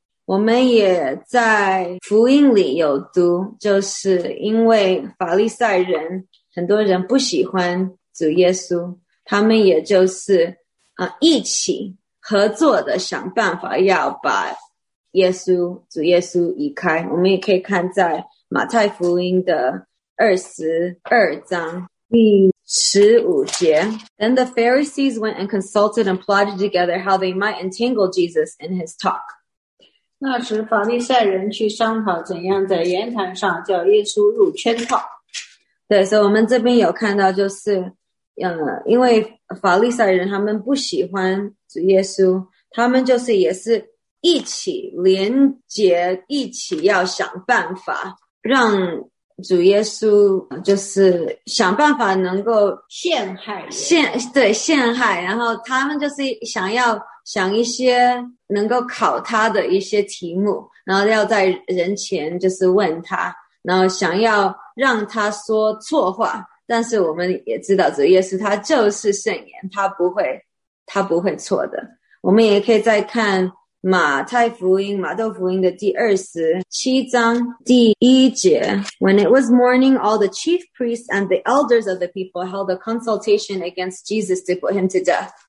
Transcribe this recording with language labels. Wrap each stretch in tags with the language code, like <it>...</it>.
<zh>我们也在福音里有读，就是因为法利赛人很多人不喜欢主耶稣，他们也就是一起合作的想办法要把主耶稣移开。我们也可以看在马太福音的22章第15节，</zh> <en>Then the Pharisees went and consulted and plotted together how they might entangle Jesus in his talk.</en> <zh>那时法利赛人去商讨怎样在言谈上叫耶稣入圈套。对，所以我们这边有看到就是因为法利赛人他们不喜欢主耶稣，他们就是也是一起连结，一起要想办法让主耶稣就是想办法能够陷害陷害，然后他们就是想要想一些能够考他的一些题目，然后要在人前就是问他，然后想要让他说错话。但是我们也知道主耶稣他就是圣言，他不会错的。我们也可以再看马窦福音的27章第1节，</zh> <en>When it was morning, all the chief priests and the elders of the people held a consultation against Jesus to put him to death.</en>